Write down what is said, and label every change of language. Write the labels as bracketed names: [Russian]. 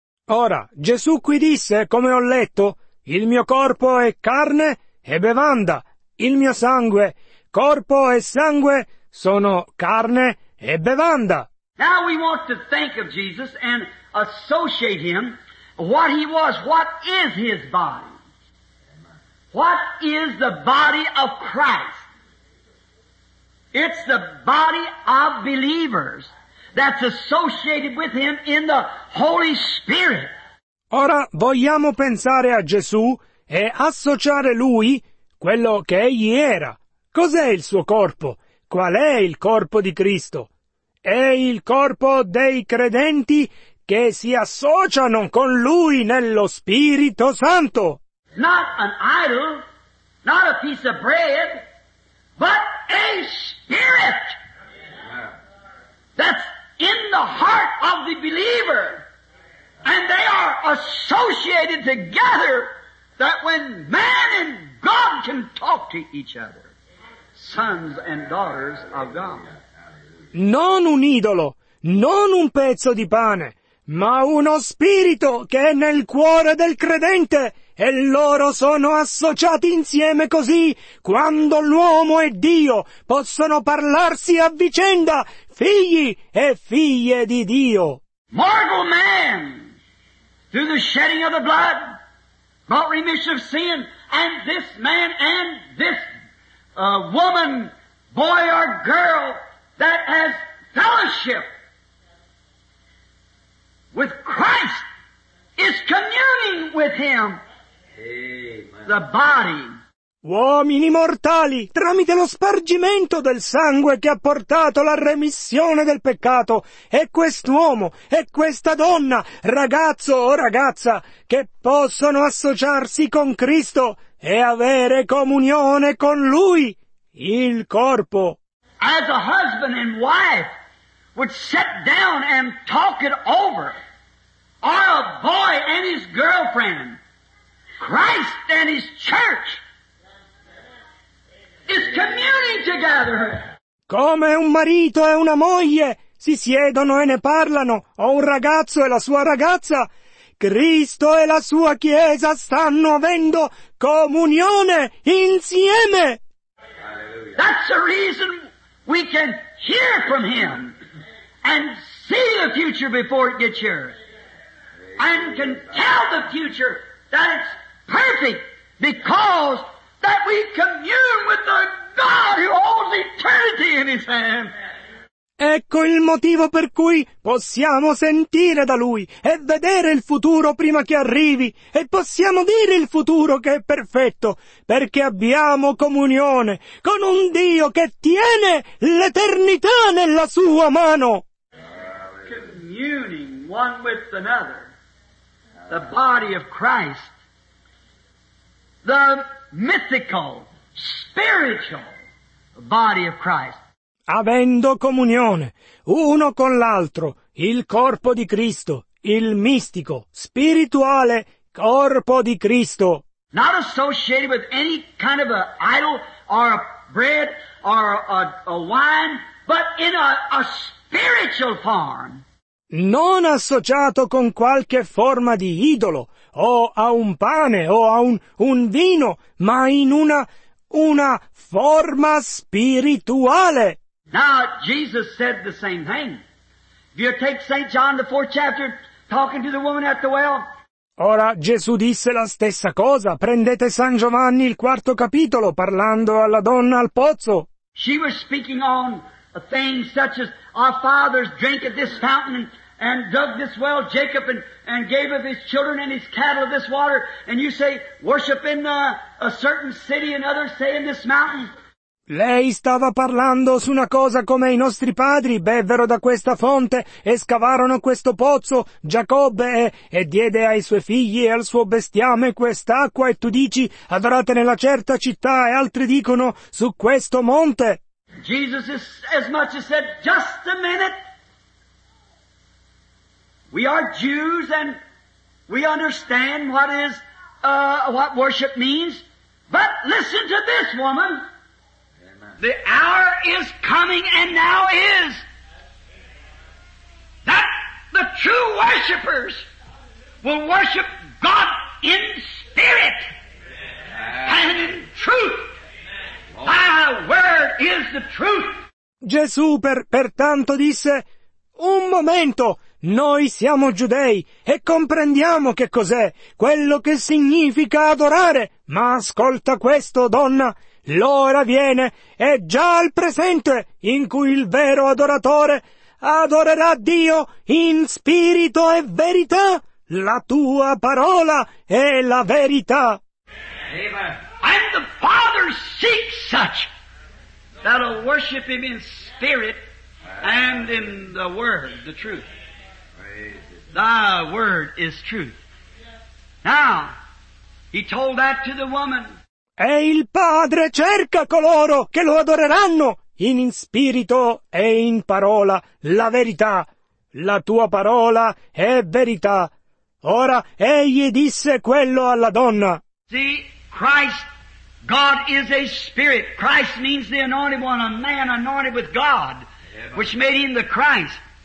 [Italian] Ora, Gesù qui disse, come ho letto, il mio corpo è carne e bevanda, il mio sangue, corpo e sangue sono carne e bevanda. [English] Now we want to think of Jesus and associate him, what he was, what is his body? What is the body of Christ? It's the body of believers that's associated with him in the Holy Spirit. [Italian] Ora vogliamo pensare a Gesù e associare lui quello che egli era. Cos'è il suo corpo? Qual è il corpo di Cristo? È il corpo dei credenti che si associano con lui nello Spirito Santo. [English] Not an idol, not a piece of bread, but a spirit that's in the heart of the believer. And they are associated together that when man and God can talk to each other, sons and daughters of God. [Italian] Non un idolo, non un pezzo di pane, ma uno spirito che è nel cuore del credente. E loro sono associati insieme così, quando l'uomo e Dio possono parlarsi a vicenda, figli e figlie di Dio. [English] Mortal man, through the shedding of the blood, brought remission of sin, and this man and this woman, boy or girl, that has fellowship with Christ, is communing with him. Amen. The body. [Italian] Uomini mortali, tramite lo spargimento del sangue che ha portato la remissione del peccato, è quest'uomo, è questa donna, ragazzo o ragazza, che possono associarsi con Cristo e avere comunione con Lui, il corpo. [English] As a husband and wife would sit down and talk it over, or a boy and his girlfriend, Christ and his church, is communing together. [Italian] Come un marito e una moglie si siedono e ne parlano, o un ragazzo e la sua ragazza, Cristo e la sua Chiesa stanno avendo comunione insieme. [English] That's the reason we can hear from him and see the future before it gets here, and can tell the future that it's perfect because that we commune with the God who holds eternity in his hand. [Italian] Ecco il motivo per cui possiamo sentire da lui e vedere il futuro prima che arrivi, e possiamo dire il futuro che è perfetto, perché abbiamo comunione con un Dio che tiene l'eternità nella sua mano. [English] Communing one with another, the body of Christ, the mythical, spiritual body of Christ. [Italian] Avendo comunione uno con l'altro, il corpo di Cristo, il mistico, spirituale corpo di Cristo. [English] Not associated with any kind of a idol or a bread or a wine, but in a spiritual form. [Italian] Non associato con qualche forma di idolo, o a un pane o a un vino, ma in una forma spirituale. [English] Now, Jesus said the same thing. If you take St. John, the 4th chapter, talking to the woman at the well. [Italian] Ora, Gesù disse la stessa cosa. Prendete San Giovanni, il 4th capitolo, parlando alla donna al pozzo. [English] She was speaking on a thing such as, our fathers drank at this fountain and dug this well, Jacob, and gave of his children and his cattle this water. And you say, worship in a certain city, and others say in this mountain. [Italian] Lei stava parlando su una cosa come i nostri padri bevvero da questa fonte e scavarono questo pozzo, Giacobbe, e diede ai suoi figli e al suo bestiame quest'acqua, e tu dici, adorate nella certa città, e altri dicono, su questo monte. [English] Jesus is as much as said, just a minute. We are Jews and we understand what is, what worship means, but listen to this woman. The hour is coming, and now is, that the true worshipers will worship God in spirit and in truth. Thy word is the truth. [Italian] Gesù pertanto disse, un momento, noi siamo giudei e comprendiamo che cos'è, quello che significa adorare, ma ascolta questo, donna. L'ora viene, è già il presente, in cui il vero adoratore adorerà Dio in spirito e verità. La tua parola è la verità. Amen. [English] And the Father seeks such that will worship him in spirit and in the word, the truth. Thy word is truth. Now, he told that to the woman. [Italian] E il Padre cerca coloro che lo adoreranno in spirito e in parola, la verità. La tua parola è verità. Ora, egli disse quello alla donna. [English] See, Christ, God is a spirit. Christ means the anointed one, a man anointed with God, which made him the Christ.